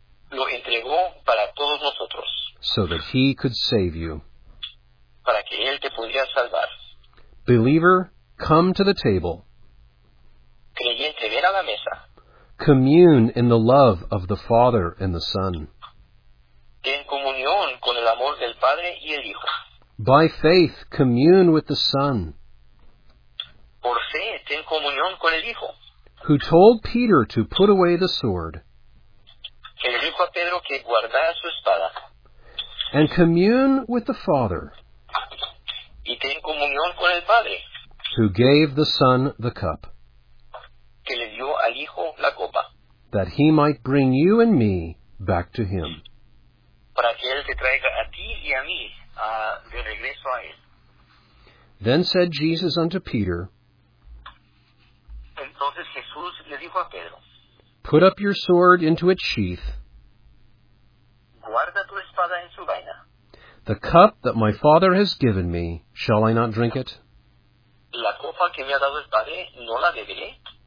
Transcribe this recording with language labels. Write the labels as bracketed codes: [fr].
[es] Lo entregó para todos nosotros. [en] So that He could save you. [es] Para que Él te pudiera salvar. [en] Believer, come to the table. [es] Creyente, ven a la mesa. [en] Commune in the love of the Father and the Son. [es] En comunión con el amor del Padre y el Hijo. [en] By faith, commune with the Son. [es] Por fe, ten comunión con el Hijo. [en] Who told Peter to put away the sword. [es] Que le dijo a Pedro que guardara su espada. [en] And commune with the Father. [es] Y ten comunión con el Padre. [en] Who gave the Son the cup. [es] Que le dio al Hijo la copa. [en] That He might bring you and me back to Him. [es] Para que Él te traiga a ti y a mí, de regreso a Él. [en] Then said Jesus unto Peter, [es] entonces Jesús le dijo a Pedro, [en] put up your sword into its sheath, [es] guarda tu espada en su vaina, [en] the cup that my Father has given me, shall I not drink it? [es] La copa que me ha dado el Padre, ¿no la beberé?